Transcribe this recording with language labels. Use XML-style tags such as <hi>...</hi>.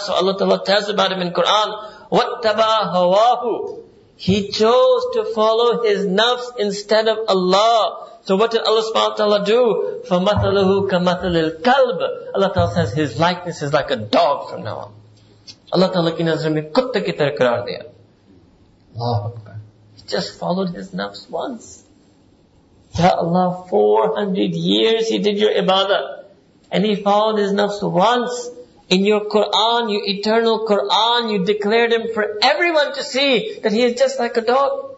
<en>So Allah Ta'ala tells about him in Quran.</en> <ar>وَاتَّبَى هَوَاهُ</ar> <en>He chose to follow his nafs instead of Allah. So what did Allah subhanahu wa ta'ala do?</en> <ar>فَمَثَلُهُ كَمَثَلِ الْكَلْبِ</ar> <en>Allah Ta'ala says his likeness is like a dog from now on.</en> <ur>اللہ تعالیٰ کی نظر میں کتے کی طرح قرار دیا۔</ur> <ar>Allahu Akbar.</ar> <en>He just followed his nafs once. Ya Allah, 400 years he did your ibadah. And he followed his nafs once. In your Quran, your eternal Quran, you declared him for everyone to see that he is just like a dog.</en>